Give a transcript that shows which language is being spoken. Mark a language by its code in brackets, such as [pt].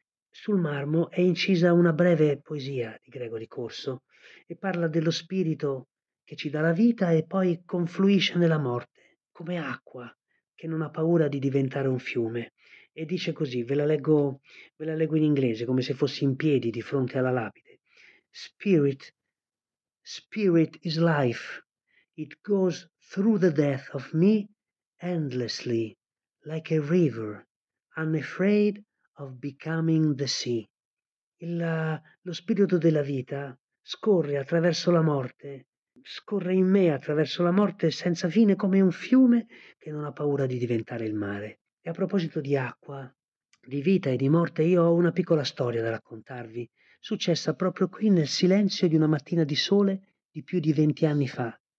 [it] Sul marmo è incisa una breve poesia di Gregory Corso e parla dello spirito che ci dà la vita e poi confluisce nella morte, come acqua che non ha paura di diventare un fiume. E dice così, ve la leggo in inglese, come se fossi in piedi di fronte alla lapide. [en] Spirit, spirit is life. It goes through the death of me endlessly, like a river, unafraid of becoming the sea. [it] Lo spirito della vita scorre attraverso la morte, scorre in me attraverso la morte senza fine come un fiume che non ha paura di diventare il mare. E a proposito di acqua, di vita e di morte, io ho una piccola storia da raccontarvi, successa proprio qui nel silenzio di una mattina di sole di più di 20 anni fa.